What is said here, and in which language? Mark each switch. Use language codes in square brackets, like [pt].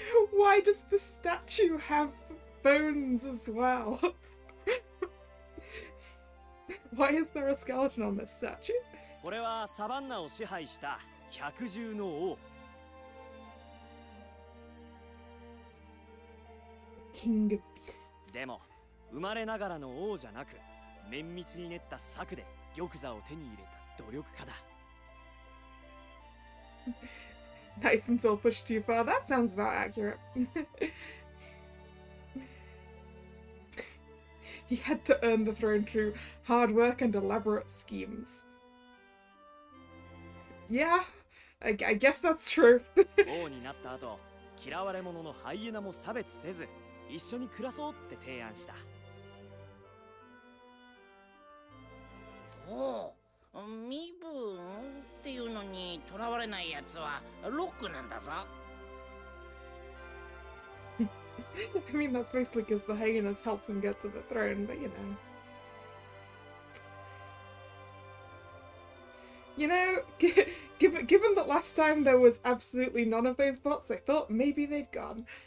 [en] Why does the statue have bones as well? Why is there a skeleton on this statue? [ja] これはサバンナを支配した百獣の王。キングビスト。でも、生まれながらの王じゃなく、綿密に練った策で玉座を手に入れた努力家だ。 [en] Nice until pushed too far. That sounds about accurate. He had to earn the throne through hard work and elaborate schemes. Yeah, I guess that's true. [ja] 王になった後、嫌われ者のハイエナも差別せず、一緒に暮らそうって提案した。おお。身分っていうのにとらわれないやつはロックなんだぞ。 [en] I mean, that's mostly because the Hyenas helped him get to the throne, but you know. You know, given that last time there was absolutely none of those bots, I thought maybe they'd gone.